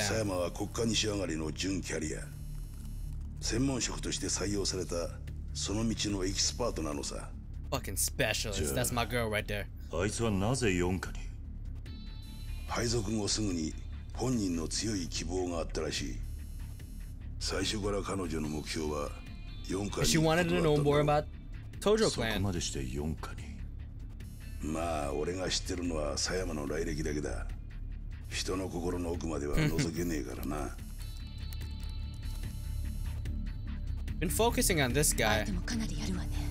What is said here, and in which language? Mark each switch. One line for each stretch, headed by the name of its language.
Japanese: 佐山は国家に仕上がりの準キャリア、専門職として採用されたその道のエキスパートなのさ。
English: Fucking specialist, that's my girl right there.
Japanese: あいつはなぜ四課に？配属後すぐに本人の強い希望があったらしい。最初から彼女の目標は四課に。
English: She wanted to know more about Tojo clan.
Japanese: そこまでして四課に。まあ俺が知ってるのは佐山の来歴だけだ。人の心の奥までは覗けねえからな。
English: Been focusing on this guy.
Japanese: でもかなりやるわね。